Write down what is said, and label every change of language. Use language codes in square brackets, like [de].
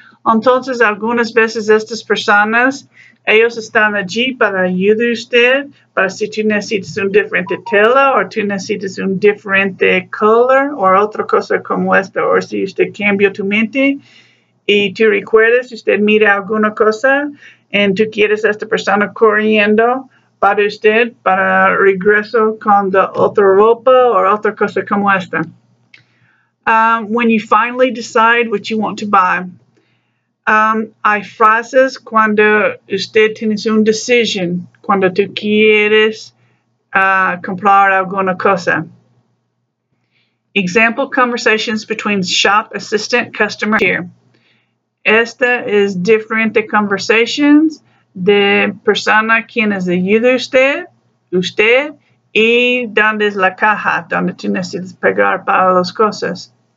[es] Entonces algunas veces estas personas ellos están allí para ayudar a usted, para si tú necesitas un diferente tela o tú necesitas un diferente color o otra cosa como esta, o si usted cambia tu mente y tú recuerdas, usted mira alguna cosa y tú quieres a esta persona corriendo para usted, para regreso con la otra ropa o otra cosa como esta. [en] When you finally decide what you want to buy. [es] Hay frases cuando usted tiene un decision, cuando tú quieres comprar alguna cosa. [en] Example conversations between shop assistant customer here. [es] Esta es diferente conversations de persona quien es ayuda usted y donde es la caja, donde tú necesitas pagar para las cosas.